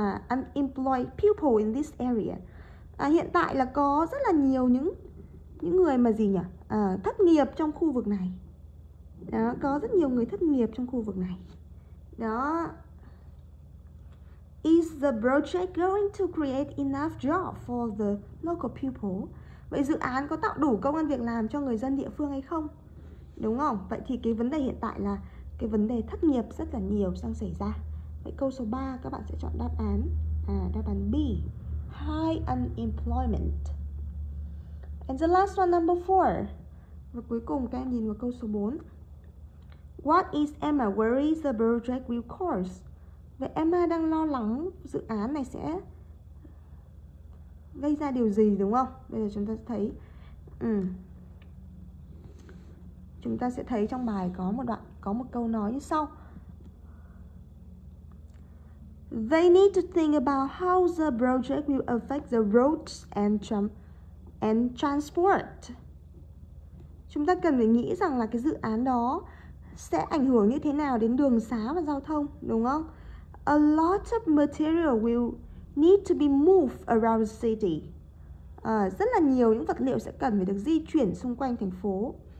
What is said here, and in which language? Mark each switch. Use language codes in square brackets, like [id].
[en] Unemployed people in this area. [vi] Hiện tại là có rất là nhiều những người mà gì nhỉ? Thất nghiệp trong khu vực này. Đó, có rất nhiều người thất nghiệp trong khu vực này. Đó. [en] Is the project going to create enough jobs for the local people? [vi] Vậy dự án có tạo đủ công ăn việc làm cho người dân địa phương hay không? Đúng không? Vậy thì cái vấn đề hiện tại là cái vấn đề thất nghiệp rất là nhiều đang xảy ra. Vậy câu số 3 các bạn sẽ chọn đáp án đáp án B. [en] High unemployment. And the last one, number 4. [vi] Và cuối cùng các em nhìn vào câu số 4. [en] What is Emma worries the project will cause? [vi] Vậy Emma đang lo lắng dự án này sẽ gây ra điều gì đúng không? Bây giờ chúng ta sẽ thấy chúng ta sẽ thấy trong bài có một đoạn, có một câu nói như sau. [en] They need to think about how the project will affect the roads and transport. [vi] Chúng ta cần phải nghĩ rằng là cái dự án đó sẽ ảnh hưởng như thế nào đến đường xá và giao thông, đúng không? [en] A lot of material will need to be moved around the city. [vi] Rất là nhiều những vật liệu sẽ cần phải được di chuyển xung quanh thành phố.